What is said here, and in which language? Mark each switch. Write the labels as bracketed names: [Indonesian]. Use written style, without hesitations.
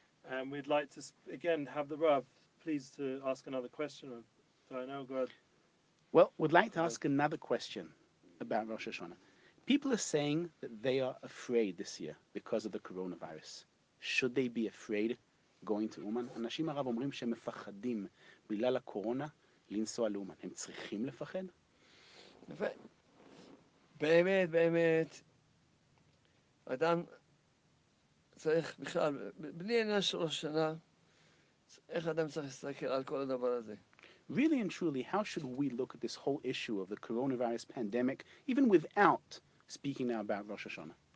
[English] And we'd like to, again, have the Rav please to ask another question. Well, we'd like to ask another question about Rosh Hashanah. People are saying that they are afraid this year because of the coronavirus. Should they be afraid going to Uman? [Hebrew] אנשים הרב אומרים שהם מפחדים בגלל הקורונה לנסוע לאומן. הם צריכים לפחד? באמת. אדם צריך בכלל, בלי עניין של ראש שנה, איך אדם צריך להסתכל על כל הדבר הזה? [English] Really and truly, how should we look at this whole issue of the coronavirus pandemic, even without speaking now about Rosh Hashanah?